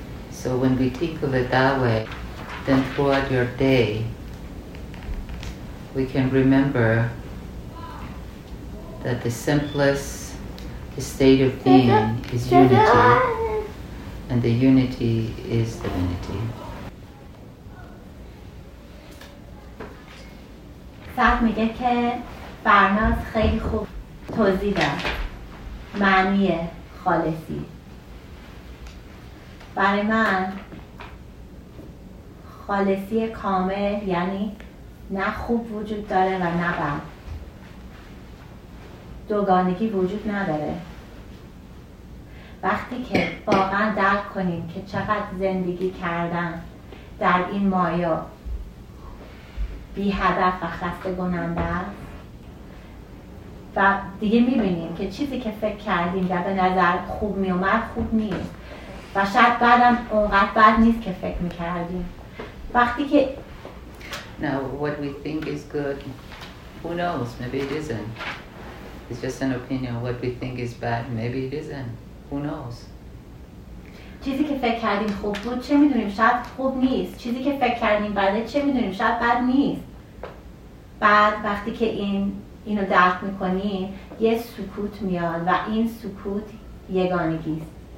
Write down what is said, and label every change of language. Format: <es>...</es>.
<en>So when we think of it that way, then throughout your day, we can remember that the simplest state of being is unity, and the unity is divinity.</en> <fa>صد میگه که فرناز خیلی خوب توضیح داد معنی خالصی. برای من خالصی کامل یعنی نه خوب وجود داره و نه بد. دوگانگی وجود نداره. وقتی که واقعا درک کنیم که چقدر زندگی کردن در این مایا بی هدف و خسته کننده است و دیگه میبینیم که چیزی که فکر کردیم به نظر خوب میومد خوب نیست و شاید بعدم اونقدر بد نیست که فکر میکردیم. وقتی که</fa> <en>Now, what we think is good, who knows? Maybe it isn't. It's just an opinion. What we think is bad, maybe it isn't. Who knows?</en> <fa>چیزی که فکر کردیم خوب بود چه میدونیم شاید خوب نیست. چیزی که فکر کردیم بده چه میدونیم شاید بد نیست. بعد وقتی که اینو درک میکنی یه سکوت میاد و این سکوت یگانگیست.</fa>